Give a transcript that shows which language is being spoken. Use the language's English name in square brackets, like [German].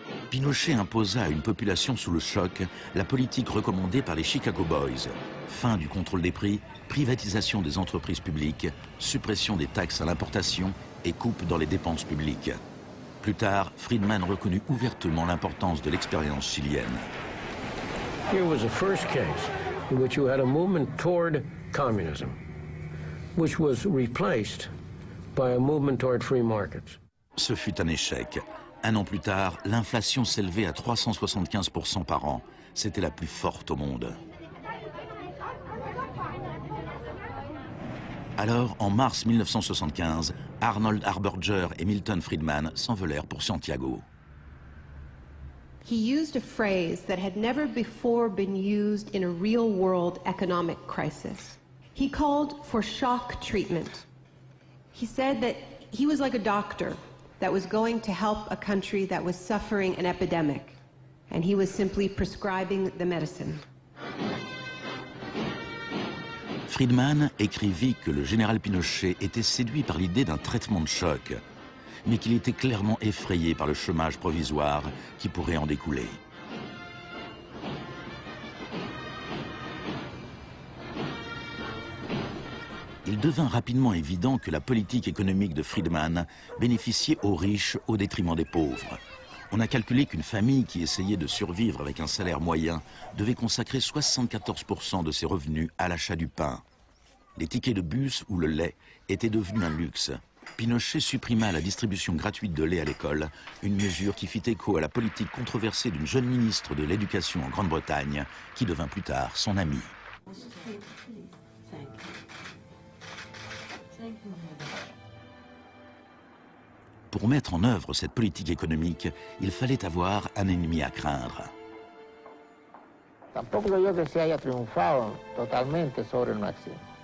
[French] Pinochet imposa à une population sous le choc la politique recommandée par les Chicago Boys. Fin du contrôle des prix, privatisation des entreprises publiques, suppression des taxes à l'importation et coupe dans les dépenses publiques. Plus tard, Friedman reconnut ouvertement l'importance de l'expérience chilienne. [English] Here was the first case in which you had a movement toward communism, which was replaced by a movement toward free markets. [French] Ce fut un échec. Un an plus tard, l'inflation s'élevait à 375% par an. C'était la plus forte au monde. Alors, en mars 1975, Arnold Harberger et Milton Friedman s'envolèrent pour Santiago. [English] He used a phrase that had never before been used in a real-world economic crisis. He called for shock treatment. He said that he was like a doctor that was going to help a country that was suffering an epidemic, and he was simply prescribing the medicine. [French] Friedman écrivit que le général Pinochet était séduit par l'idée d'un traitement de choc, mais qu'il était clairement effrayé par le chômage provisoire qui pourrait en découler. Il devint rapidement évident que la politique économique de Friedman bénéficiait aux riches au détriment des pauvres. On a calculé qu'une famille qui essayait de survivre avec un salaire moyen devait consacrer 74% de ses revenus à l'achat du pain. Les tickets de bus ou le lait étaient devenus un luxe. Pinochet supprima la distribution gratuite de lait à l'école, une mesure qui fit écho à la politique controversée d'une jeune ministre de l'Éducation en Grande-Bretagne, qui devint plus tard son amie. Pour mettre en œuvre cette politique économique, il fallait avoir un ennemi à craindre. [Spanish] Tampoco yo que se haya triunfado totalmente sobre el marxismo.